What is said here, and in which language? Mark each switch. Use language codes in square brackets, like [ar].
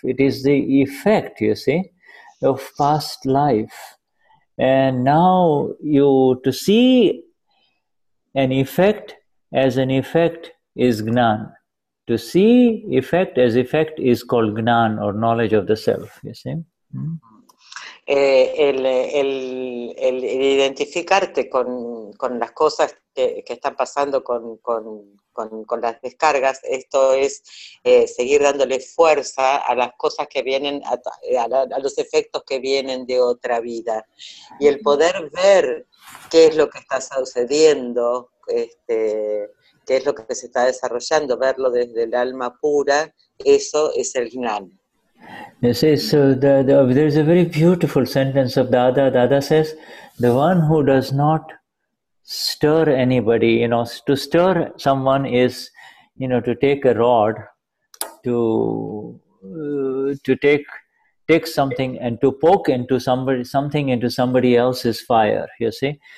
[en] It is the effect, you see, of past life. And now you to see an effect as an effect is gnan. To see effect as effect is called gnan or knowledge of the self, you see? [es] El identificarte con las cosas que están pasando con las descargas, esto es seguir dándole fuerza a las cosas que vienen, a los efectos que vienen de otra vida. Y el poder ver qué es lo que está sucediendo, qué es lo que se está desarrollando, verlo desde el alma pura, eso es el gnan. [en] You see, so there is a very beautiful sentence of Dada. Dada says, the one who does not stir anybody, you know, to stir someone is, you know, to take a rod, to take something and to poke into somebody, something into somebody else's fire, you see.